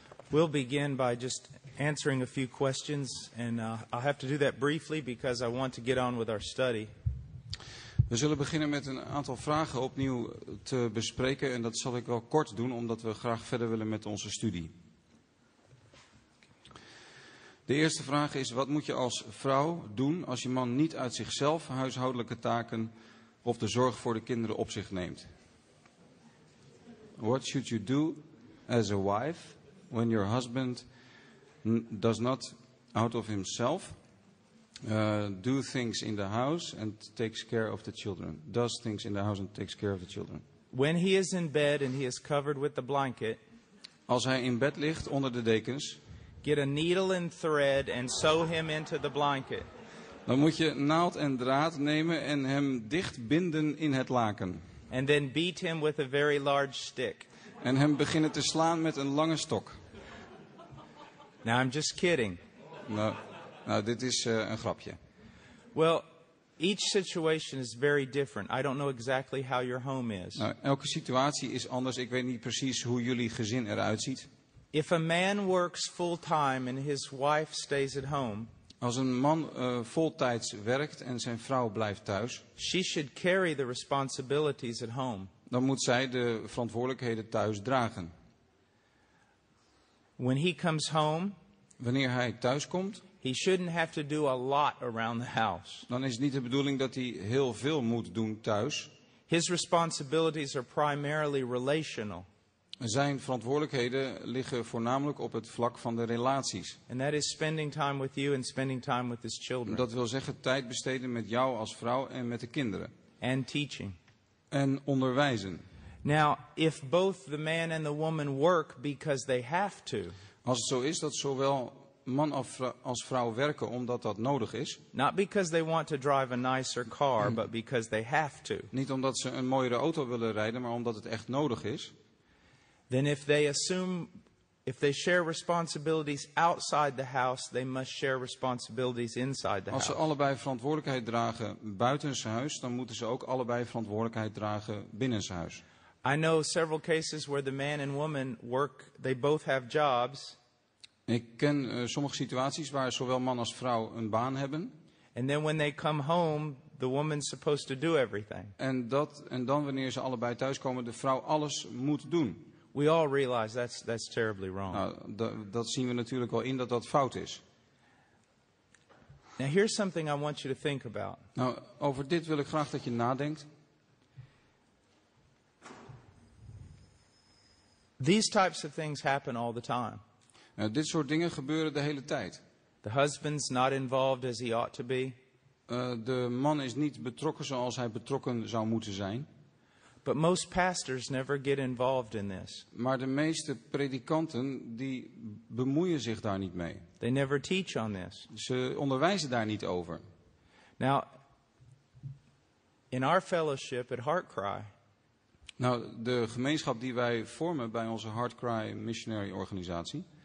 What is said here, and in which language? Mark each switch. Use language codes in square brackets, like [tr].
[en] We'll begin by just answering a few questions. And I'll have to do that briefly because I want to get on with our study. [nl] We zullen beginnen met een aantal vragen opnieuw te bespreken en dat zal ik wel kort doen omdat we graag verder willen met onze studie. De eerste vraag is, wat moet je als vrouw doen als je man niet uit zichzelf huishoudelijke taken of de zorg voor de kinderen op zich neemt? [en] What should you do as a wife when your husband does not out of himself do things in the house and takes care of the children. Does things in the house and takes care of the children. When he is in bed and he is covered with the blanket. [nl] Als hij in bed ligt onder de dekens. [en] Get a needle and thread and sew him into the blanket. [nl] Dan moet je naald en draad nemen en hem dicht binden in het laken. [en] And then beat him with a very large stick. [nl] En hem beginnen te slaan met een lange stok. [en] Now I'm just kidding. [nl] No. Nou, dit is een grapje. [en] Well, each situation is very different. I don't know exactly how your home is. [nl] Nou, elke situatie is anders. Ik weet niet precies hoe jullie gezin eruit ziet. [en] If a man works full time and his wife stays at home, [nl] als een man voltijds werkt en zijn vrouw blijft thuis, [en] she should carry the responsibilities at home. [nl] Dan moet zij de verantwoordelijkheden thuis dragen. [en] When he comes home, [nl] wanneer hij thuis komt, [en] he shouldn't have to do a lot around the house. [nl] Dan is het niet de bedoeling dat hij heel veel moet doen thuis. [en] His responsibilities are primarily relational. [nl] Zijn verantwoordelijkheden liggen voornamelijk op het vlak van de relaties. [en] And that is spending time with you and spending time with his children. [nl] Dat wil zeggen tijd besteden met jou als vrouw en met de kinderen. [en] And teaching. [nl] En onderwijzen. [en] Now, if both the man and the woman work because they have to. [nl] Als het zo is dat zowel man als vrouw werken omdat dat nodig is. [en] Not because they want to drive a nicer car, but because they have to. [nl] Niet omdat ze een mooiere auto willen rijden, maar omdat het echt nodig is. [en] Then if they assume, if they share responsibilities outside the house, they must share responsibilities inside the house. [nl] Als ze allebei verantwoordelijkheid dragen buitenshuis, dan moeten ze ook allebei verantwoordelijkheid dragen binnenshuis. [en] I know several cases where the man and woman work, they both have jobs. [nl] Ik ken sommige situaties waar zowel man als vrouw een baan hebben. [en] And then when they come home, the woman's supposed to do everything. [nl] En dan wanneer ze allebei thuiskomen, de vrouw alles moet doen. [en] We all realize that's terribly wrong. [nl] Nou, dat zien we natuurlijk al in dat dat fout is. [en] Now here's something I want you to think about. [nl] Nou, over dit wil ik graag dat je nadenkt. [en] These types of things happen all the time. [nl] Nou, dit soort dingen gebeuren de hele tijd. [en] The husband's not involved as he ought to be. [nl] De man is niet betrokken zoals hij betrokken zou moeten zijn. [en] But most pastors never get involved in this. [nl] Maar de meeste predikanten die bemoeien zich daar niet mee. [en] They never teach on this. [nl] Ze onderwijzen daar niet over. [en] Now, in our fellowship at Heartcry. [nl] Nou, de gemeenschap die wij vormen bij onze Heartcry missionary organisatie.